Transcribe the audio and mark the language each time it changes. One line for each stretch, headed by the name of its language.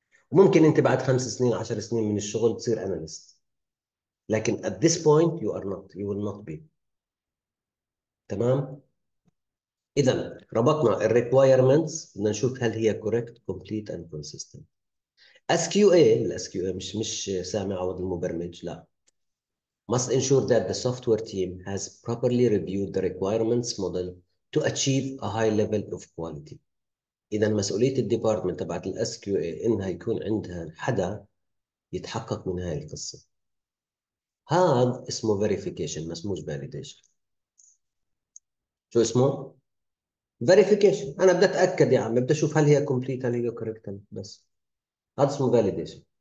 Arabic: وممكن انت بعد 5 سنين 10 سنين من الشغل تصير اناليست، لكن
English: at this point you are not, you will not be.
Arabic: تمام؟ إذا ربطنا الـ requirements، بدنا نشوف هل هي
English: correct, complete and consistent.
Arabic: SQA، الـ SQA مش سامع عوض المبرمج، لا.
English: Must ensure that the software team has properly reviewed the requirements model to achieve a high level of quality.
Arabic: إذا مسؤولية الـ department تبعت الـ SQA إنها يكون عندها حدا يتحقق من هاي القصة. هذا اسمه verification، ما اسموش validation. شو اسمه؟ verification. انا بدي اتاكد يا عم، بدي اشوف هل هي complete، هل هي correct، بس هذا اسمه validation.